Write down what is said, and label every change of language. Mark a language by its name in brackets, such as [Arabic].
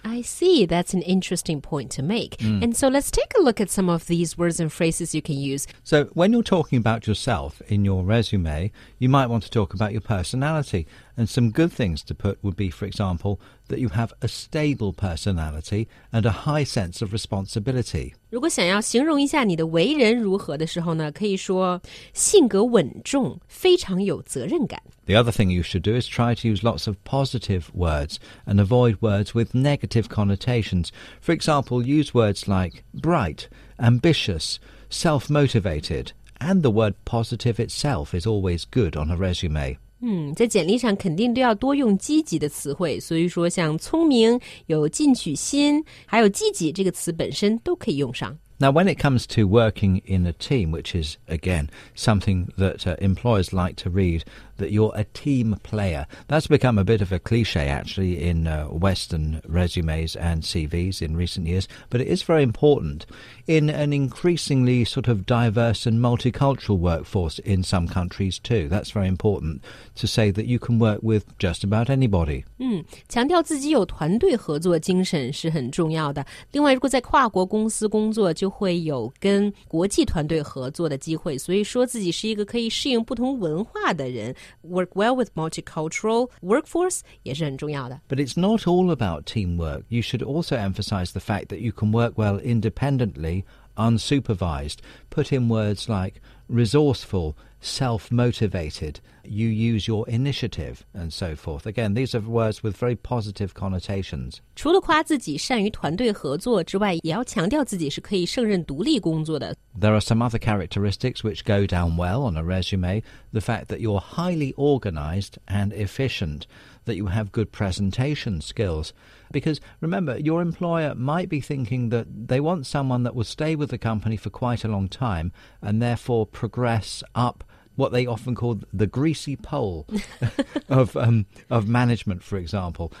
[English] I see, that's an interesting point to make. Mm. And so let's take a look at some of these words and phrases you can use. So when you're talking about yourself in your resume, you might want to talk about your personality. And some good things to put would be, for example, that you have a stable personality and a high sense of responsibility. [Chinese] 如果想要形容一下你的为人如何的时候呢，可以说性格稳重，非常有责任感。 [English] The other thing you should do is try to use lots of positive words and avoid words with negative connotations. For example, use words like bright, ambitious, self-motivated, and the word positive itself is always good on a resume. [Chinese] 在简历上肯定都要多用积极的词汇，所以说像聪明、有进取心，还有积极这个词本身都可以用上。 [English] Now, when it comes to working in a team, which is, again, something that employers like to read, that you're a team player, that's become a bit of a cliche, actually, in Western resumes and CVs in recent years, but it is very important. In an increasingly sort of diverse and multicultural workforce in some countries, too, that's very important to say that you can work with just about anybody. [Chinese] 强调自己有团队合作精神是很重要的。另外，如果在跨国公司工作就会有跟国际团队合作的机会，所以说自己是一个可以适应不同文化的人 ， [English] work well with multicultural workforce [Chinese] 也是很重要的。 [English] But it's not all about teamwork. You should also emphasize the fact that you can work well independently, unsupervised. Put in words like resourceful. Self-motivated, you use your initiative, and so forth. Again, these are words with very positive connotations. [Chinese] 除了夸自己善于团队合作之外，也要强调自己是可以胜任独立工作的。 [English] There are some other characteristics which go down well on a resume. The fact that you're highly organized and efficient, that you have good presentation skills. Because remember, your employer might be thinking that they want someone that will stay with the company for quite a long time and therefore progress up what they often call the greasy pole of management, for example.